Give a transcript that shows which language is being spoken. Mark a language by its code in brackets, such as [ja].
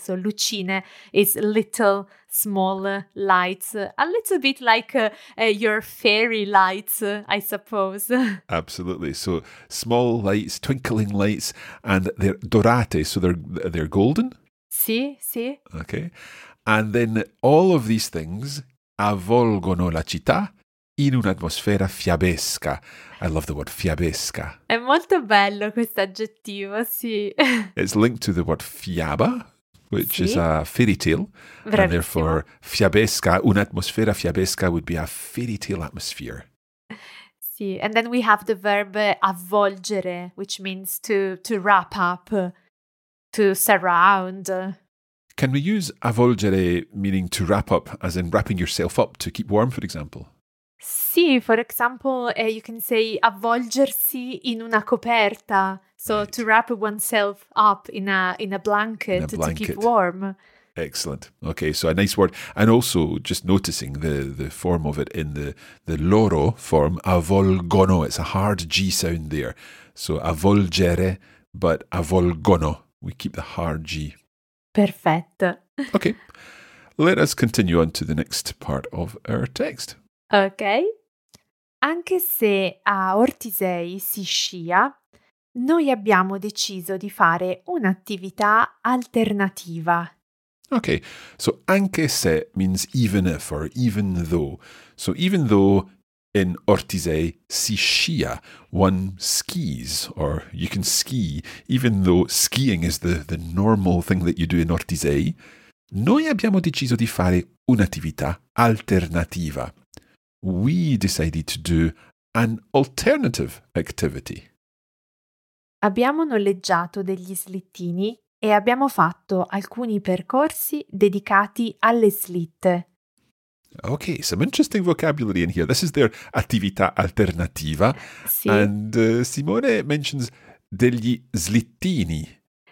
[en] So lucine is little, small lights. A little bit like your fairy lights, I suppose. Absolutely. So small lights, twinkling lights, and they're dorate, so they're golden? [it] Sì, sì. [en] Okay. And then all of these things [it] avvolgono la città. In un'atmosfera fiabesca. [en] I love the word fiabesca. [it] È molto bello questo aggettivo, sì. [en] It's linked to the word fiaba, which sì. is a fairy tale. [it] Bravissimo. [en] And therefore, fiabesca, un'atmosfera fiabesca would be a fairy tale atmosphere. Sì, and then we have the verb avvolgere, which means to wrap up, to surround. Can we use avvolgere meaning to wrap up, as in wrapping yourself up to keep warm, for example? Sì, for example, you can say [it] avvolgersi in una coperta, [en] so right. to wrap oneself up in a blanket to keep warm. Excellent. Okay, so a nice word. And also just noticing the form of it in the loro form, avvolgono, it's a hard G sound there. So avvolgere, but avvolgono, we keep the hard G. [it] Perfetto. [en] Okay, let us continue on to the next part of our text. [it] Ok. Anche se a Ortisei si scia, noi abbiamo deciso di fare un'attività alternativa. [en] Ok. So anche se means even if or even though. So even though in Ortisei [it] si scia, [en] one skis or you can ski, even though skiing is the normal thing that you do in Ortisei, [it] noi abbiamo deciso di fare un'attività alternativa. [en] We decided to do an alternative activity. [it] Abbiamo noleggiato degli slittini e abbiamo fatto alcuni percorsi dedicati alle slitte. [en] Okay, some interesting vocabulary in here. This is their attività alternativa. [it] Sì. [en] And Simone mentions degli slittini.